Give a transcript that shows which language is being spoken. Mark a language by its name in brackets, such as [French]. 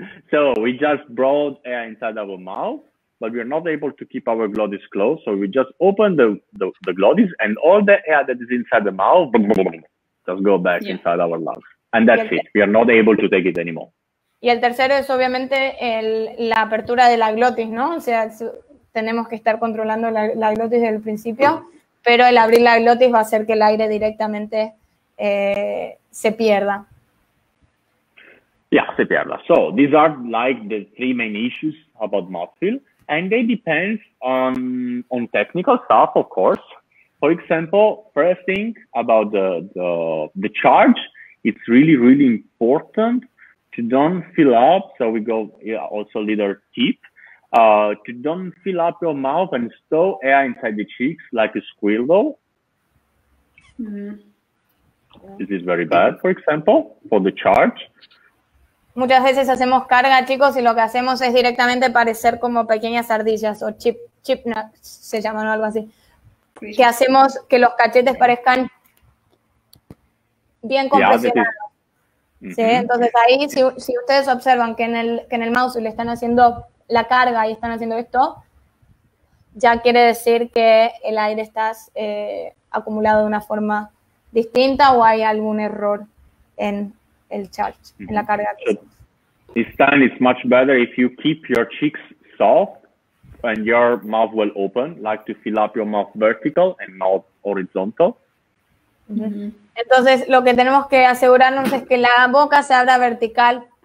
[English] So we just brought air inside our mouth, but we are not able to keep our glottis closed. So we just open the glottis and all the air that is inside the mouth just go back inside our lungs. And that's it. We are not able to take it anymore. [Spanish] Y el tercero es obviamente la apertura de la glotis, ¿no? O sea, tenemos que estar controlando la glotis desde el principio, pero el abrir la glotis va a hacer que el aire directamente se pierda. Yeah, se pierda. [English] So these are like the three main issues about mouthfeel, and they depend on technical stuff, of course. For example, first thing about the charge, it's really, really important to don't fill up. So we go also little tip, to don't fill up your mouth and stow air inside the cheeks like a squirrel. This is very bad, for example, for the charge. [Spanish] Muchas veces hacemos carga, chicos, y lo que hacemos es directamente parecer como pequeñas ardillas o chipmunks, se llaman o algo así. Que hacemos que los cachetes parezcan bien compresionados. Yeah, ¿sí? Entonces ahí, si ustedes observan que en el mouse le están haciendo la carga y están haciendo esto, ya quiere decir que el aire está acumulado de una forma distinta o hay algún error en el charge, mm-hmm. en la carga. [English] This time it's much better if you keep your cheeks soft and your mouth well open, like to fill up your mouth vertical and not horizontal. Mm-hmm. [Spanish] Entonces, lo que tenemos que asegurarnos es que la boca se abra vertical.